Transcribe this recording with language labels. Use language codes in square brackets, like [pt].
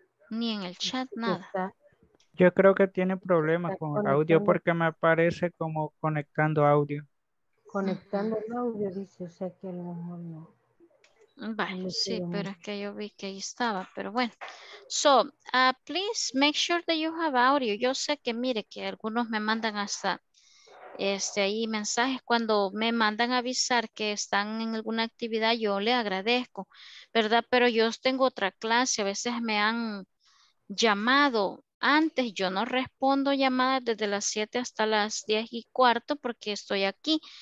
[es] Ni en el chat, nada. Yo creo que tiene problemas con el audio porque me aparece como conectando audio. Conectando el audio, dice, o sea que a lo mejor no. Bueno, sí, pero es que yo vi que ahí estaba, pero bueno. [en] So, please make sure that you have audio. [es] Yo sé que, mire, que algunos me mandan hasta ahí mensajes. Cuando me mandan avisar que están en alguna actividad, yo le agradezco, ¿verdad? Pero yo tengo otra clase. A veces me han llamado antes. Yo no respondo llamadas desde las 7 hasta las 10:15 porque estoy aquí.